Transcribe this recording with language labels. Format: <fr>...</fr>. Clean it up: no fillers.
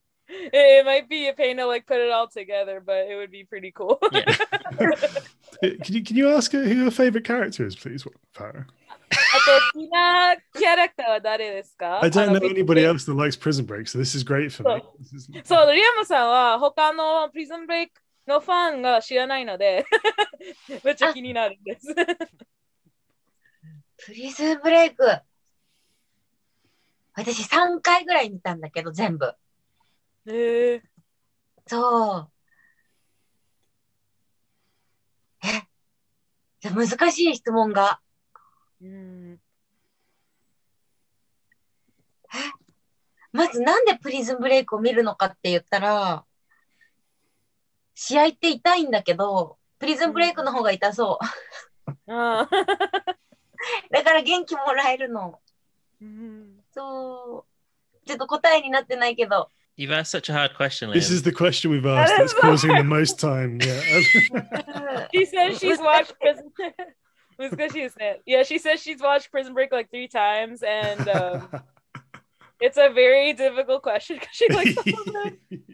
<en>It might be a pain to like put it all together, but it would be pretty cool. can you ask who your favorite character is, please, Farah?</en> <ja>好きなキャラクターは誰ですか?</ja> <en>I don't know anybody else that likes Prison Break, so this is great for me.</en> <ja>そう、リアムさんは他の Prison Break のファンが知らないので、めっちゃ気になるんです。 Prison Break。私3回ぐらい見たんだけど、全部。そう。難しい質問が。まずなんでプリズンブレイクを見るのかって言ったら、試合って痛いんだけど、プリズンブレイクの方が痛そう。だから元気もらえるの。ちょっと答えになってないけど。</ja> <en>You've asked such a hard question, Liam. This is the question we've asked that's causing the most time. Yeah. She says she's watched Prison</en> <ja>Musukashii desu ne.</ja> <en>Yeah, she says she's watched Prison Break like 3 times, and it's a very difficult question because she likes all of them.</en>